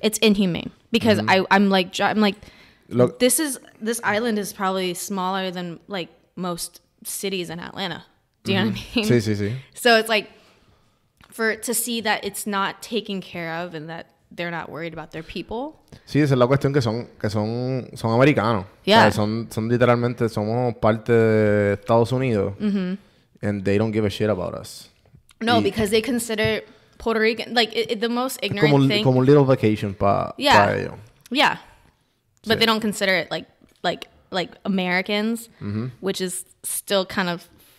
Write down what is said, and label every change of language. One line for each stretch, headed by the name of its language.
English: It's inhumane. Because I'm like... Look, this island is probably smaller than, like, most cities in Atlanta. Do you know what I mean?
Spanish: Sí.
English: So it's like, to see that it's not taken care of and that they're not worried about their people.
Spanish: Sí, esa es la cuestión, que son americanos.
English: Yeah.
Spanish: Son literalmente, somos parte de Estados Unidos. Mm-hmm.
English: And they don't give a shit about us. No, because they consider Puerto Rican, like, the most ignorant thing.
Spanish: Como un
English: little vacation
Spanish: para ellos.
English: Yeah. But they don't consider it like Americans, which is still kind of...